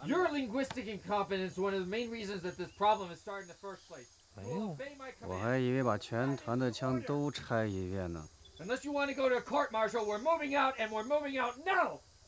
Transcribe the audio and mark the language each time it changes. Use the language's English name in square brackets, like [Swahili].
[English] your linguistic incompetence is one of the main reasons that this problem is starting in the first place. [Chinese] 没有，我还以为把全团的枪都拆一遍呢。 [English] Unless you want to go to a court martial, we're moving out, and we're moving out now.